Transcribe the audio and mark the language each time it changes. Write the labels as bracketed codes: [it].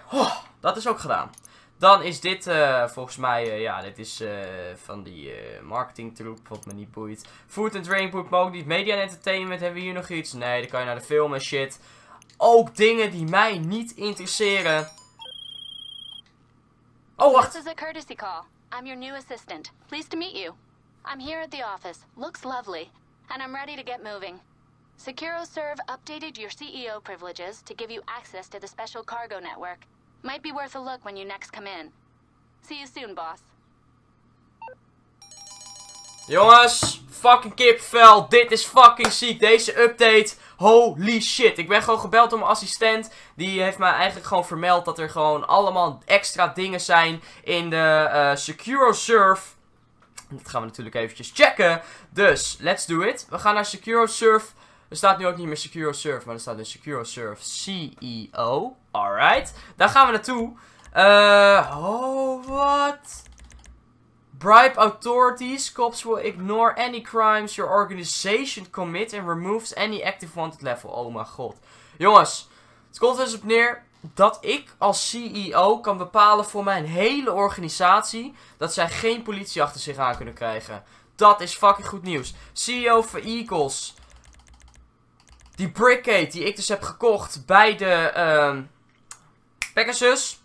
[nl] Oh, dat is ook gedaan. Dan is dit volgens mij, dit is van die marketing troep, wat me niet boeit. Food and drink, boek, maar ook niet. Media en entertainment, hebben we hier nog iets? Nee, dan kan je naar de film en shit. Ook dingen die mij niet interesseren. Oh, wacht. [en] This is a courtesy call. I'm your new assistant. Pleased to meet you. I'm here at the office. Looks lovely. And I'm ready to get moving. Sekiro Serve updated your CEO privileges to give you access to the special cargo network. Might be worth a look when you next come in. See you soon, boss. [nl] Jongens, fucking kipvel, dit is fucking ziek, deze update, holy shit. Ik ben gewoon gebeld door mijn assistent, die heeft mij eigenlijk gewoon vermeld dat er gewoon allemaal extra dingen zijn in de Sekiro Serve. Dat gaan we natuurlijk eventjes checken, dus [en] let's do it. [nl] We gaan naar Sekiro Serve. Er staat nu ook niet meer Sekiro Serve, maar er staat een Sekiro Serve CEO, alright. Daar gaan we naartoe. [en] What? Bribe authorities, cops will ignore any crimes your organization commit and removes any active wanted level. [nl] Oh mijn god. Jongens, het komt dus op neer dat ik als CEO kan bepalen voor mijn hele organisatie dat zij geen politie achter zich aan kunnen krijgen. Dat is fucking goed nieuws. CEO van Eagles. Die brickade die ik dus heb gekocht bij de Pegasus.